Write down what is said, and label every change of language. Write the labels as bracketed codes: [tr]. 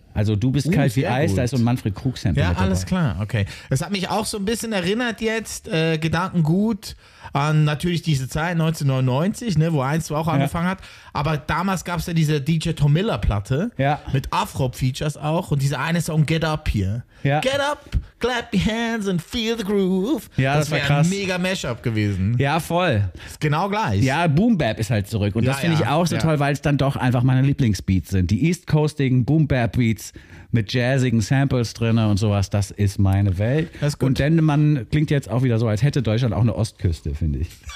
[de] Also du bist kalt wie Eis, gut. Da ist so ein Manfred Krug-Sample. Ja, alles dabei. Klar, okay. Es hat mich auch so ein bisschen erinnert jetzt, Gedankengut, an natürlich diese Zeit 1999, ne, wo 1-2 auch angefangen hat. Aber damals gab es ja diese DJ Tom Miller-Platte mit Afro-Features auch und diese eine Song Get Up hier. Ja. [en] Get up, clap your hands and feel the groove. [de] Ja, das war krass. Ein mega Mashup gewesen. Ja, voll. Ist genau gleich. Ja, Boom Bap ist halt zurück. Und das finde ich auch so toll, weil es dann doch einfach meine Lieblingsbeats sind. Die East Coastigen Boom Bap Beats mit jazzigen Samples drin und sowas, das ist meine Welt. Das ist gut. Und denn man klingt jetzt auch wieder so, als hätte Deutschland auch eine Ostküste, finde ich.